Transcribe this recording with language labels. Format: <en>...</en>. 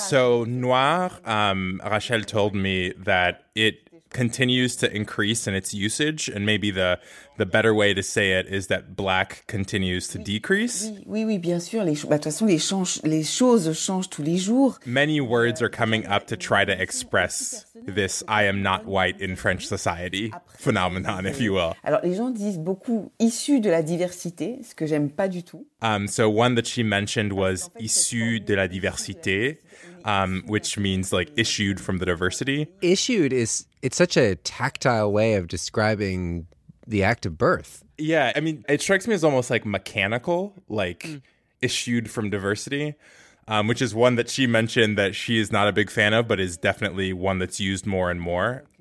<en>So noir, Rachel told me that it continues to increase in its usage, and maybe the better way to say it is that black continues to decrease.</en> <fr>Oui, oui, bien sûr. Les choses changent tous les jours.</fr> <en>Many words are coming up to try to express this "I am not white" in French society phenomenon, if you will.</en> <fr>Alors, les gens disent beaucoup issus de la diversité, ce que j'aime pas du tout.</fr> <en>So one that she mentioned was issu de la diversité, which means like issued from the diversity. Issued is, it's such a tactile way of describing the act of birth. Yeah, I mean, it strikes me as almost like mechanical, like issued from diversity, which is one that she mentioned that she is not a big fan of, but is definitely one that's used more and more.</en>